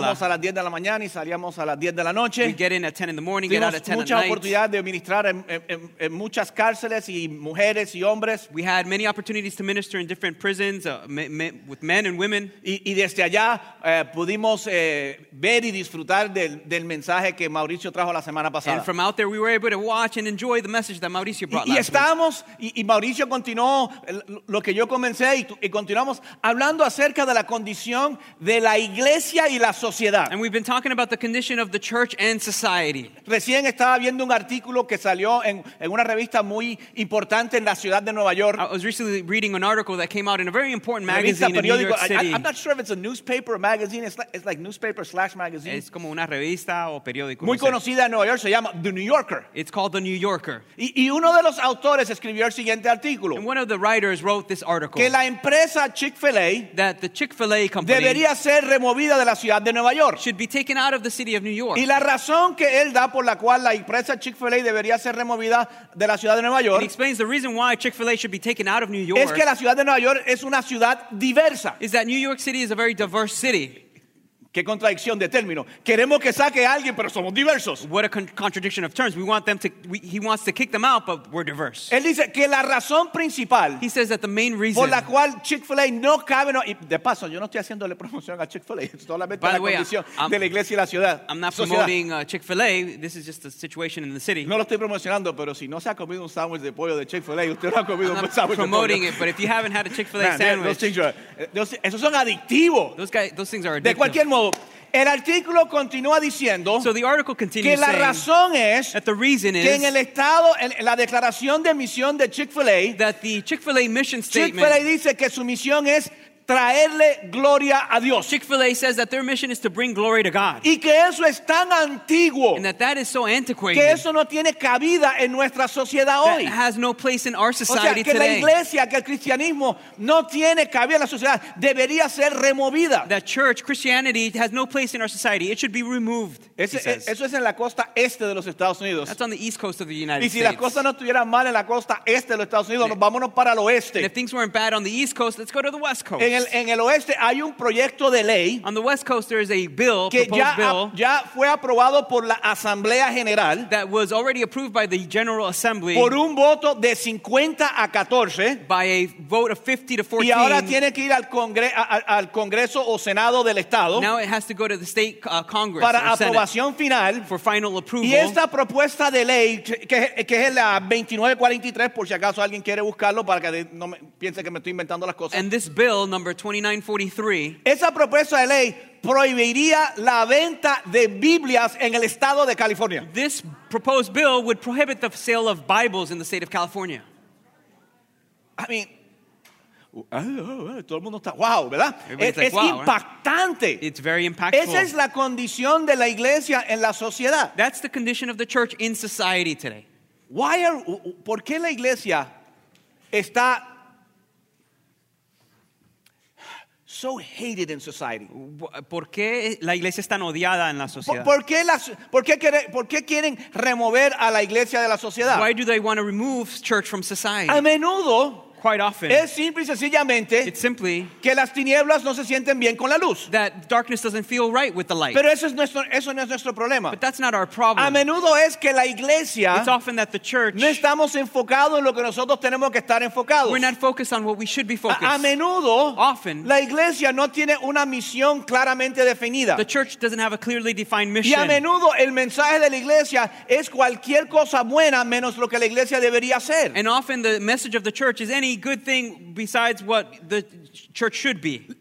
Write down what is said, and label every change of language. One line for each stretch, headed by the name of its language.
Spanish: Y entrábamos a las 10 de la mañana y salíamos a las 10 de la noche.
English: We get in at 10 in the morning,
Spanish: tuvimos
English: get out at 10 at night.
Spanish: Tuvimos mucha oportunidad de ministrar en muchas cárceles y mujeres y hombres.
English: We had many opportunities to minister in different prisons with men and women.
Spanish: Y desde allá pudimos ver y disfrutar del mensaje que Mauricio trajo la semana pasada.
English: And from out there we were able to watch and enjoy the message that Mauricio brought
Spanish: y estábamos, y Mauricio continuó lo que yo comencé y continuamos hablando acerca de la condición de la iglesia y la sociedad.
English: And we've been talking about the condition of the church and society.
Spanish: Recién estaba viendo un artículo que salió en una revista muy importante en la ciudad de Nueva York.
English: I was recently reading an article that came out in a very important magazine in New York City. I'm not sure if it's a newspaper or magazine. It's like newspaper slash magazine.
Spanish: Es como una revista o periódico. Muy conocida en Nueva York. Se llama The New Yorker.
English: It's called The New Yorker.
Spanish: Y uno de los autores escribió el siguiente artículo.
English: And one of the writers wrote this article.
Spanish: Que la empresa Chick-fil-A,
English: that the Chick-fil-A company,
Spanish: debería ser removida de la ciudad de Nueva York.
English: Should be taken out of the city of New York.
Spanish: Y la razón que él da por la cual la empresa Chick-fil-A debería ser removida de la ciudad de Nueva York.
English: And he explains the reason why Chick-fil-A should be taken out of New York.
Spanish: Es que la ciudad de Nueva York es una ciudad diversa.
English: Is that New York City is a very diverse city.
Spanish: Qué contradicción de término. Queremos que saque a alguien, pero somos diversos.
English: What a contradiction of terms. He wants to kick them out, but we're diverse.
Spanish: Él dice que la razón principal.
English: He says that the main reason.
Spanish: Por la cual Chick-fil-A no cabe. Y de paso, yo no estoy haciéndole promoción a Chick-fil-A. Solamente la condición de la iglesia y la ciudad.
English: I'm not promoting Chick-fil-A. This is just the situation in the city.
Spanish: No lo estoy promocionando, pero si no se ha comido un sándwich de pollo de Chick-fil-A, usted no ha comido un sándwich de pollo.
English: Promoting it, but if you haven't had a Chick-fil-A sandwich.
Spanish: Esos son adictivos.
English: Those things are addictive.
Spanish: De cualquier modo. El artículo continúa diciendo que la razón es que en el estado, en la declaración de misión de Chick-fil-A,
English: that the Chick-fil-A mission statement,
Spanish: Chick-fil-A dice que su misión es traerle gloria a Dios.
English: Chick-fil-A says that their mission is to bring glory to God.
Spanish: Y que eso es tan antiguo.
English: And that is so antiquated.
Spanish: Que eso no tiene cabida en nuestra sociedad hoy.
English: That has no place in our society today.
Spanish: O sea, que
English: today.
Spanish: La iglesia, que el cristianismo no tiene cabida en la sociedad, debería ser removida.
English: That church, Christianity, has no place in our society. It should be removed,
Spanish: Eso es en la costa este de los Estados Unidos.
English: That's on the east coast of the United States.
Spanish: Y si las cosas no estuvieran mal en la costa este de los Estados Unidos, vámonos para el oeste.
English: And if things weren't bad on the east coast, let's go to the west coast.
Spanish: En el oeste hay un proyecto de ley.
English: On the west coast there is a bill,
Spanish: que ya fue aprobado por la Asamblea General.
English: That was already approved by the General Assembly.
Spanish: Por un voto de 50 a 14.
English: By a vote of 50 to 14.
Spanish: Y ahora tiene que ir al Congreso o Senado del Estado.
English: Now it has to go to the state Congress.
Spanish: Para aprobación final.
English: For final approval.
Spanish: Y esta propuesta de ley que es la 2943, por si acaso alguien quiere buscarlo para que no piense que me estoy inventando las cosas.
English: And this bill number 2943.
Spanish: Esa propuesta de ley prohibiría la venta de Biblias en el estado de California.
English: This proposed bill would prohibit the sale of Bibles in the state of California. I mean,
Spanish: todo el mundo está wow, ¿verdad? Es wow, impactante.
English: Right? It's very impactful.
Spanish: Esa es la condición de la iglesia en la sociedad.
English: That's the condition of the church in society today.
Spanish: ¿Por qué la iglesia está
English: so hated in society?
Spanish: ¿Por qué la iglesia es tan odiada en la sociedad? ¿Por qué quieren remover a la iglesia de la sociedad?
English: Why do they want to remove church from society?
Spanish: A menudo,
English: quite often,
Spanish: es simple y sencillamente,
English: it's simply
Spanish: que las tinieblas no se sienten bien con la luz.
English: That darkness doesn't feel right with the light.
Spanish: Pero eso no es nuestro problema.
English: But that's not our problem.
Spanish: A menudo es que la iglesia,
English: it's often that the church,
Spanish: no estamos enfocados en lo que nosotros tenemos que estar enfocados.
English: We're not focused on what we should be focused.
Spanish: A menudo,
English: often,
Spanish: la iglesia no tiene una misión claramente definida.
English: The church doesn't have a clearly defined mission.
Spanish: Y a menudo el mensaje de la iglesia es cualquier cosa buena menos lo que la iglesia debería hacer.
English: And often the message of the church is any good thing besides what the church should be.